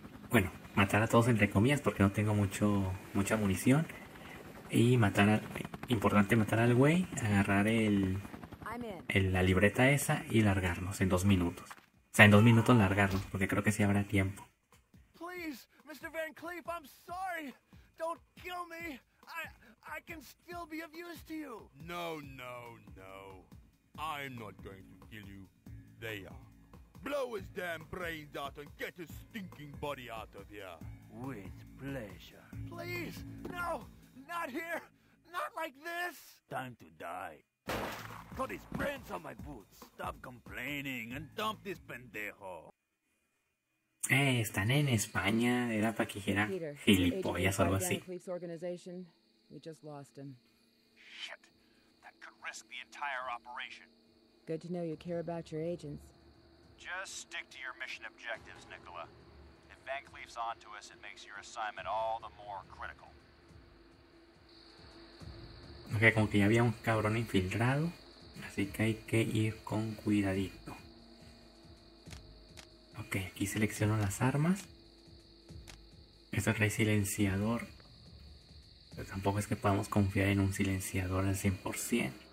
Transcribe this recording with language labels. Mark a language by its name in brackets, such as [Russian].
[Spanish] Bueno, matar a todos entre comillas porque no tengo mucha munición. Y matar al... Importante matar al güey, agarrar la libreta esa y largarnos en 2 minutos. O sea, en 2 minutos largarnos, porque creo que sí habrá tiempo. [English] Please, Mr. Van Cleef, I'm sorry. Don't kill me. I can still be of use to you. No, no, no. I'm not going to kill you. They are. Blow his damn brains out and get his stinking body out of here. With pleasure. Please, no, not here. Not like this. Time to die. Put his brains on my boots. Stop complaining and dump this pendejo. [Spanish] Están en España. Era para que dijera gilipollas o algo así. [English] Cleef's organization. We just lost him. Shit. That could risk the entire operation. Good to know you care about your agents. Just stick to your mission objectives, Nicola. If Van Cleef's on to us, it makes your assignment all the more critical. [Spanish] Okay, como que ya había un cabrón infiltrado, así que hay que ir con cuidadito. Ok, aquí selecciono las armas. Esto trae silenciador. Pero tampoco es que podamos confiar en un silenciador al 100%.